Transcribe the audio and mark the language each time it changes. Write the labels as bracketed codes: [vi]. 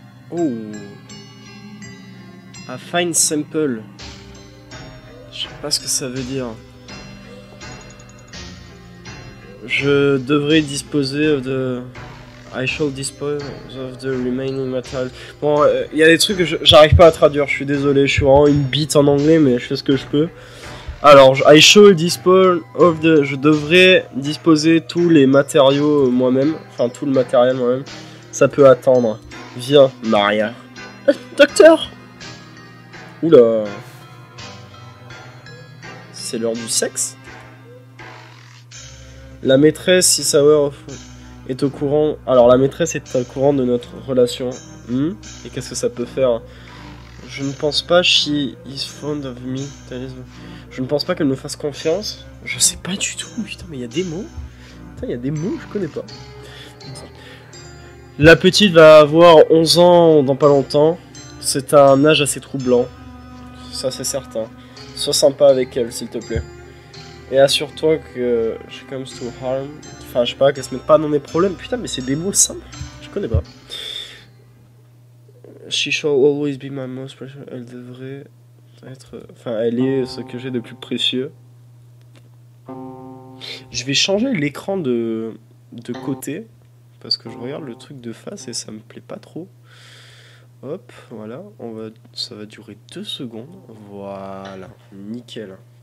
[en] Oh! A fine sample. [fr] Je sais pas ce que ça veut dire. Je devrais disposer [en] of the. I shall dispose of the remaining material. [fr] Bon, il y a des trucs que j'arrive pas à traduire, je suis désolé, je suis vraiment une bite en anglais, mais je fais ce que je peux. Alors, [en] I shall dispose of the. [fr] Je devrais disposer tous les matériaux moi-même, enfin tout le matériel moi-même. Ça peut attendre. Viens, Maria. Docteur! Oula! C'est l'heure du sexe? La maîtresse, Isawa, est au courant. Alors, la maîtresse est au courant de notre relation. Et qu'est-ce que ça peut faire? Je ne pense pas, [en] she is fond of me. [fr] Je ne pense pas qu'elle me fasse confiance. Je sais pas du tout. Putain, mais il y a des mots. Putain, il y a des mots, je connais pas. La petite va avoir 11 ans dans pas longtemps. C'est un âge assez troublant. Ça, c'est certain. Sois sympa avec elle, s'il te plaît. Et assure-toi que [en] she comes to harm. [fr] Enfin, je sais pas, qu'elle se mette pas dans mes problèmes. Putain, mais c'est des mots simples. Je connais pas. [en] She shall always be my most precious. [fr] Elle devrait être. Enfin, elle est ce que j'ai de plus précieux. Je vais changer l'écran de côté. Parce que je regarde le truc de face et ça me plaît pas trop. Hop, voilà. Ça va durer 2 secondes. Voilà. Nickel.